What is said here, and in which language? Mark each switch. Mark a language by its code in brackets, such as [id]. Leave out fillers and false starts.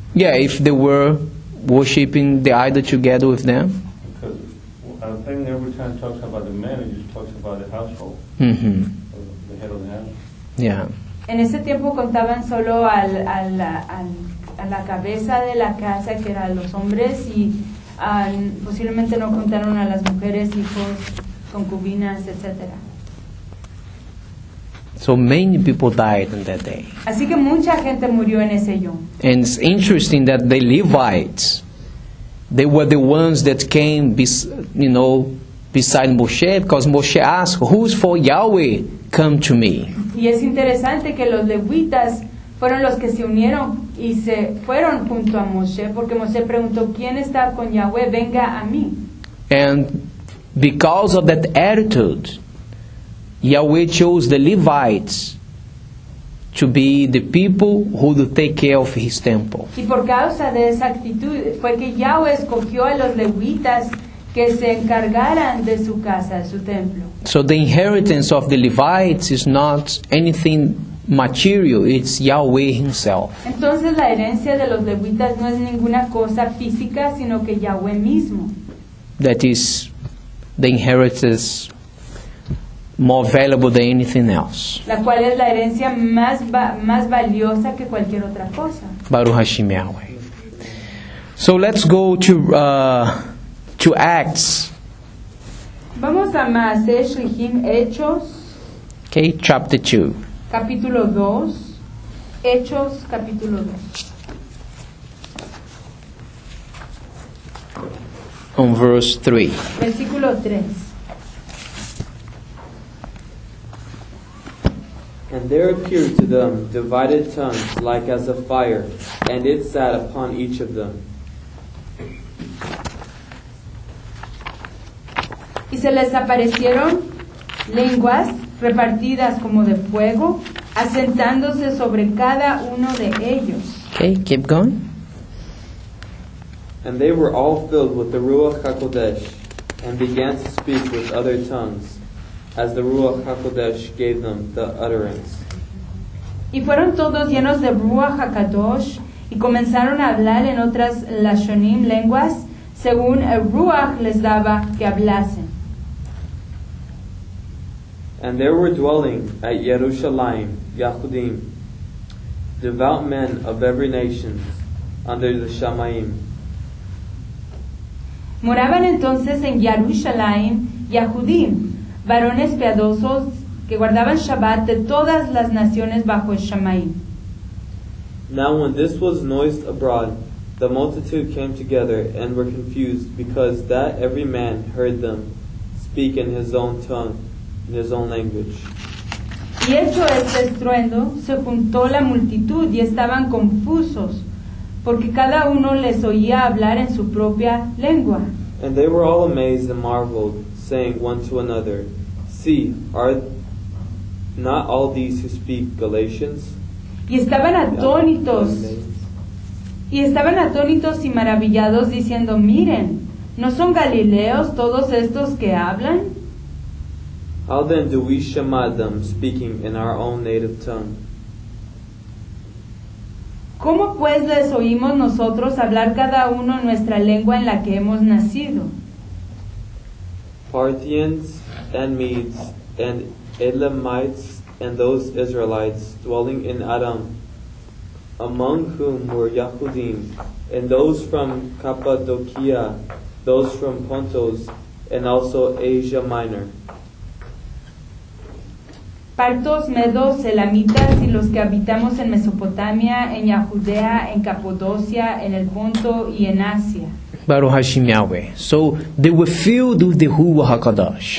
[en] Yeah, if they were worshipping the idol together with them. Because I think every time it talks about the man, it just talks about the household. Mm-hmm. The head of the house. Yeah. [es] En ese tiempo contaban solo a la cabeza de la casa, que eran los hombres, y posiblemente no contaron a las mujeres, hijos, concubinas, etc. [en] So many people died on that day. [es] Así que mucha gente murió en ese yom. [en] And it's interesting that the Levites, they were the ones that came beside Moshe, because Moshe asked, "Who's for Yahweh? Come to me." [es] Y es interesante que los levitas fueron los que se unieron y se fueron junto a Moshe, porque Moshe preguntó, "¿Quién está con Yahweh? Venga a mí." [en] And because of that attitude, Yahweh chose the Levites to be the people who would take care of his temple. [es] Y por causa de esa actitud fue que Yahweh escogió a los levitas que se encargaran de su casa, su templo. [en] So the inheritance of the Levites is not anything material, it's Yahweh himself. [es] Entonces la herencia de los levitas no es ninguna cosa física, sino que Yahweh mismo. [en] That is the inheritance more valuable than anything else. [es] La cual es la herencia más valiosa que cualquier otra cosa. [he] Baruch Hashem [en] Yahweh. So let's go to Acts. [es] Vamos a Maaseh Shlichim, Hechos. [en] Okay, chapter 2. [es] Capítulo 2. Hechos, capítulo 2. [en] On verse 3. [es] Versículo 3. [en] And there appeared to them divided tongues like as a fire, and it sat upon each of them. [es] Y se les aparecieron lenguas repartidas como de fuego, asentándose sobre cada uno de ellos. [en] Okay, keep going. And they were all filled with the Ruach HaKodesh, and began to speak with other tongues, as the Ruach HaKodesh gave them the utterance. [es] Y fueron todos llenos de Ruach HaKodesh, y comenzaron a hablar en otras lashonim, lenguas, según el Ruach les daba que hablasen. [en] And there were dwelling at Yerushalayim, Yahudim, devout men of every nation, under the Shamayim. [es] Moraban entonces en Yerushalayim, Yahudim, varones piadosos que guardaban Shabbat de todas las naciones bajo el Shamayim. [en] Now when this was noised abroad, the multitude came together and were confused, because that every man heard them speak in his own tongue, in his own language. [es] Y hecho este estruendo, se juntó la multitud y estaban confusos, porque cada uno les oía hablar en su propia lengua. [en] And they were all amazed and marveled, saying one to another, "See, are not all these who speak Galatians?" [es] Y estaban atónitos. [en] Yeah. [es] Y estaban atónitos y maravillados, diciendo, "Miren, ¿no son galileos todos estos que hablan?" [en] How then do we shema them speaking in our own native tongue? [es] ¿Cómo pues les oímos nosotros hablar cada uno en nuestra lengua en la que hemos nacido? [en] Parthians and Medes and Elamites and those Israelites dwelling in Aram, among whom were Yahudim, and those from Cappadocia, those from Pontos, and also Asia Minor. [es] Partos, Medos, Elamitas y los que habitamos en Mesopotamia, en Yahudea, en Capadocia, en el Ponto y en Asia. [he] Baruch Hashem Yahweh. [en] So they were filled with the Ruach HaKodesh.